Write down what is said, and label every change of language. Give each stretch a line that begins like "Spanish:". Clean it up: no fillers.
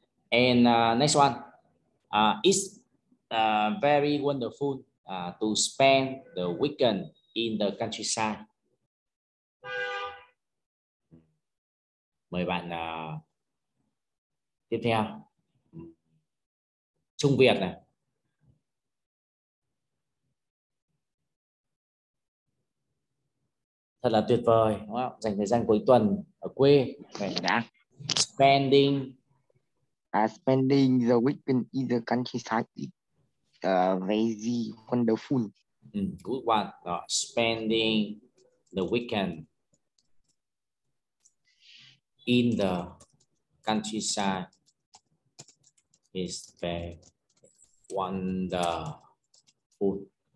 English: And next one, it's very wonderful to spend the weekend in the countryside.
Vietnamese: Mời bạn tiếp theo, Trung Việt này. Thật là tuyệt vời, đúng không? Dành thời gian cuối tuần ở quê. Vậy đã.
English: Spending. Spending the weekend in the countryside is very wonderful. Good one. Spending the weekend in the countryside is very wonderful.